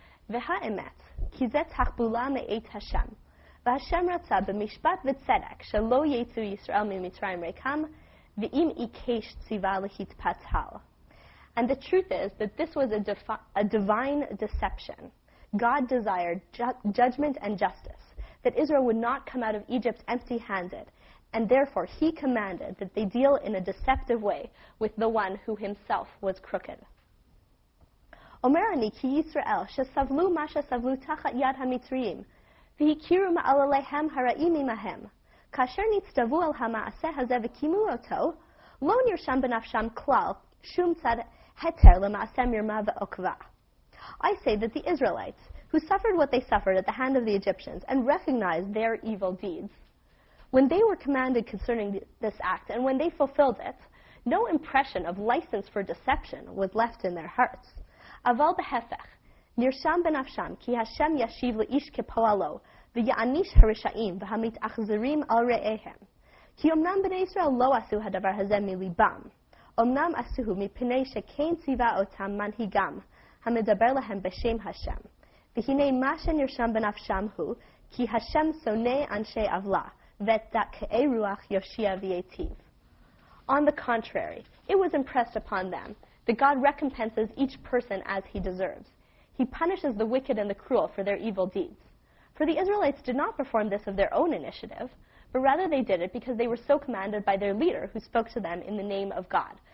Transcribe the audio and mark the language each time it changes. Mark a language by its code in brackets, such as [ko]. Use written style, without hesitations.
[he] והאמת, כי זה תחבולה מאת השם. והשם רצה במשפט וצדק שלא יצאו ישראל ממצרים ריקם, ואם עיקש ציווה להתפתל. [en] And the truth is that this was a divine deception. God desired judgment and justice, that Israel would not come out of Egypt empty-handed, and therefore he commanded that they deal in a deceptive way with the one who himself was crooked. [he] אומר אני כי ישראל שסבלו מה שסבלו תחת יד המצרים, והכירו מעלליהם הרעים עמהם, כאשר נצטוו על המעשה הזה וקימו אותו, לא נרשם בנפשם כלל שום צד היתר למעשה מרמה ועוקבה. [en] I say that the Israelites, who suffered what they suffered at the hand of the Egyptians and recognized their evil deeds, when they were commanded concerning this act and when they fulfilled it, no impression of license for deception was left in their hearts. [he] Aval behefech, nirsham benafsham ki Hashem yashiv le'ish kepoalo v'ya'anish harishaim v'hamit achzirim al re'ehem. Ki omnam b'nei Israel lo asu hadavar hazeh milibam, omnam asuhu mipnei shekein tziva otam manhigam, המדבר להם בשם השם. והנה מה שנרשם בנפשם הוא, כי השם שונא אנשי עוולה, ואת דכאי רוח יושיע וייטיב. [en] On the contrary, it was impressed upon them that God recompenses each person as he deserves. He punishes the wicked and the cruel for their evil deeds. For the Israelites did not perform this of their own initiative, but rather they did it because they were so commanded by their leader who spoke to them in the name of God.